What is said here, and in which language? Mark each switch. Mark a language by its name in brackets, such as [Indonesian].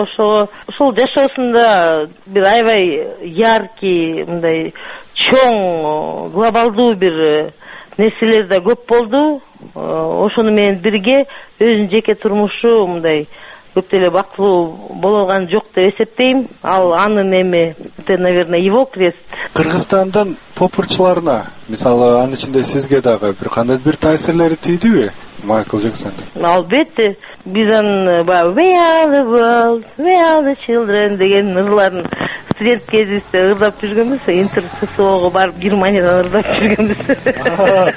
[Kyrgyz] Ошол жашоосунда бир аябай яркий, мындай чоң глобалдуу бир нерселер да көп болду. Ошону менен бирге өзүнүн жеке турмушу мындай көп деле бактылуу болгон жок деп эсептейм. Ал анын эми [Russian] это, наверное, его крест. [Kyrgyz] Кыргызстандын поп ырчыларына, мисалы анын ичинде сизге дагы бир кандай бир таасирлери тийдиби Майкл Джексонду? Албетте, биз анын баягы [English] We are the world, we are the children [Kyrgyz] деген ырларын студент кезибизде ырдап жүргөнбүз, интерсоого барып Германиядан ырдап жүргөнбүз.